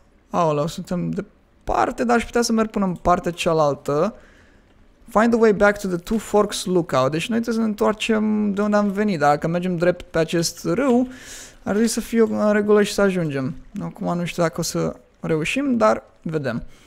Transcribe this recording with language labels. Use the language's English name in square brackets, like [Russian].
[Romanian] Aoleu, suntem departe, dar aș putea să merg până în partea cealaltă. [English] Find a way back to the Two Forks lookout. [Romanian] Deci noi trebuie să ne întoarcem de unde am venit. Dacă mergem drept pe acest râu, ar trebui să fie în regulă și să ajungem. Acum nu știu dacă o să reușim, dar vedem.